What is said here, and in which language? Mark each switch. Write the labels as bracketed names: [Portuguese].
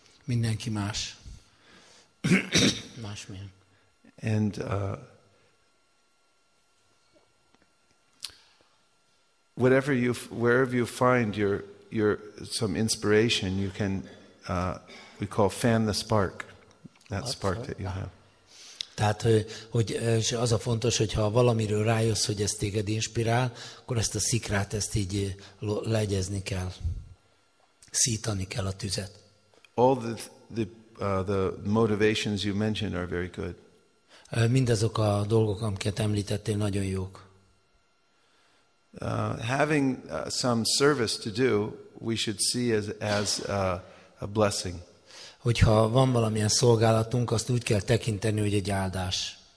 [Hungarian] Mindenki más. Más milyen. [English] And whatever you, wherever you find your some inspiration, you can we call fan the spark, that spark that you have. [Hungarian] Tehát, hogy és az a fontos, hogy ha valamiről rájössz, hogy ez téged inspirál, akkor ezt a szikrát, ezt így legyezni kell, szítani kell a tüzet. [English] All the motivations you mentioned are very good. [Hungarian] Mindazok a dolgok, amiket említettél, nagyon jók. [English] Having some service to do, we should see as a blessing. [Hungarian] Hogyha van valamilyen szolgálatunk, azt úgy kell tekinteni, hogy egy áldás.